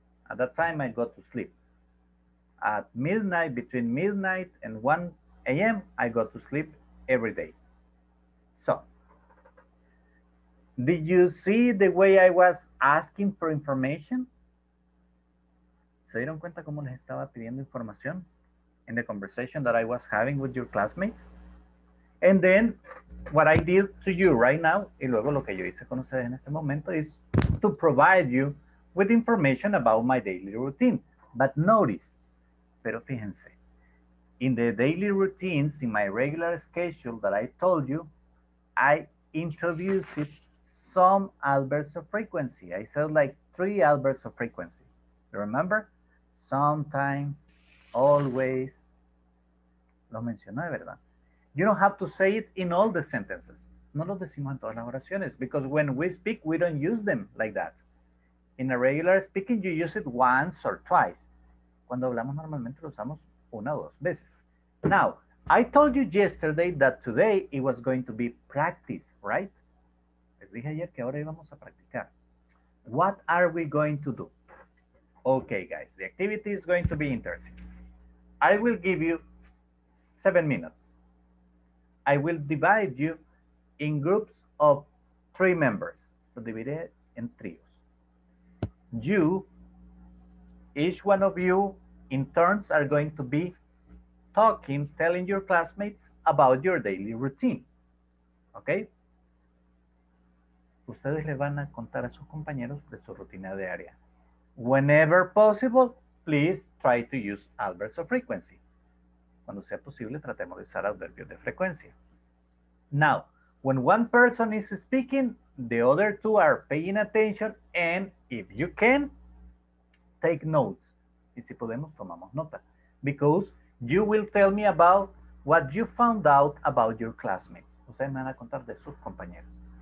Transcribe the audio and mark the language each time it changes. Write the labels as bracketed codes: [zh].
[en] At that time, I go to sleep. At midnight, between midnight and 1 a.m., I go to sleep every day. So, did you see the way I was asking for information? [es] ¿Se dieron cuenta cómo les estaba pidiendo información? [en] In the conversation that I was having with your classmates. And then what I did to you right now, [es] y luego lo que yo hice con ustedes en este momento, [en] is to provide you with information about my daily routine. But notice, [es] pero fíjense, [en] in the daily routines, in my regular schedule that I told you, I introduced some adverbs of frequency. I said like 3 adverbs of frequency. You remember? Sometimes, always, [es] lo mencionó, ¿verdad? [en] You don't have to say it in all the sentences. [es] No lo decimos en todas las oraciones, [en] because when we speak, we don't use them like that. In a regular speaking, you use it once or twice. [es] Cuando hablamos normalmente, lo usamos una o dos veces. [en] Now, I told you yesterday that today it was going to be practice, right? [es] Les dije ayer que ahora íbamos a practicar. [en] What are we going to do? Okay, guys, the activity is going to be interesting. I will give you 7 minutes. I will divide you in groups of 3 members. [es] Lo divide en tríos. [en] You, each one of you, in turns, are going to be talking, telling your classmates about your daily routine. Okay? [es] Ustedes le van a contar a sus compañeros de su rutina diaria. [en] Whenever possible, please try to use adverbs of frequency. [es] Cuando sea posible, tratemos de usar adverbios de frecuencia. [en] Now, when one person is speaking, the other two are paying attention, and if you can, take notes. [es] Y si podemos, tomamos nota. [en] Because you will tell me about what you found out about your classmates. [es] Ustedes me van a contar de sus compañeros.